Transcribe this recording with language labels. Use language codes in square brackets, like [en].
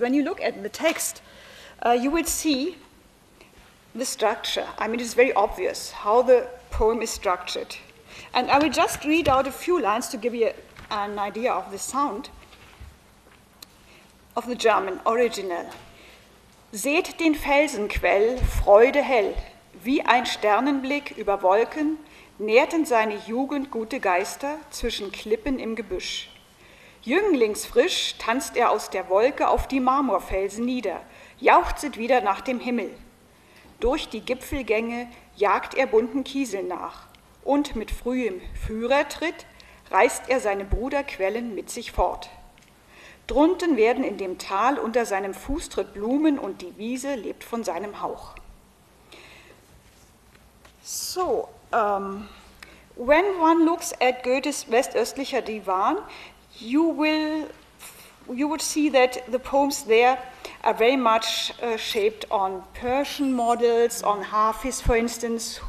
[en] When you look at the text, you will see the structure. I mean, it's very obvious how the poem is structured. And I will just read out a few lines to give you an idea of the sound of the German original. [de] Seht den Felsenquell, Freude hell, wie ein Sternenblick über Wolken, nährten seine Jugend gute Geister zwischen Klippen im Gebüsch. Jünglingsfrisch tanzt er aus der Wolke auf die Marmorfelsen nieder, jauchzet wieder nach dem Himmel. Durch die Gipfelgänge jagt er bunten Kieseln nach und mit frühem Führertritt reißt er seine Bruderquellen mit sich fort. Drunten werden in dem Tal unter seinem Fußtritt Blumen und die Wiese lebt von seinem Hauch. [en] So, when one looks at Goethe's Westöstlicher Divan, you would see that the poems there are very much shaped on Persian models, on Hafiz, for instance.